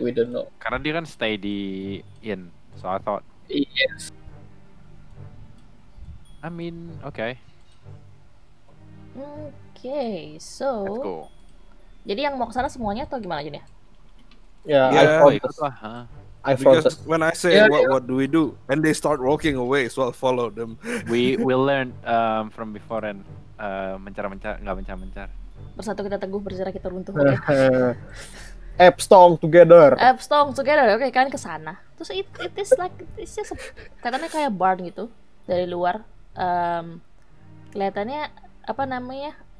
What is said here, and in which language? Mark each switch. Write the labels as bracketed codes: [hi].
[en] We don't know. [id] Karena dia kan [en] stay di inn, so I thought. Yes. I mean, okay. Okay, so. Let's go. [id] Jadi yang mau kesana semuanya atau gimana aja nih? [en] Yeah, I follow. When I say what do we do, and they start walking away, so I follow them. We learn from before and mencar. [id] Bersatu kita teguh, berjarak kita runtuh. [en] App strong together. [id] Okay, kalian kesana. Terus [en] it is like it's just [id] katanya kayak barn gitu dari luar. Kelihatannya apa namanya?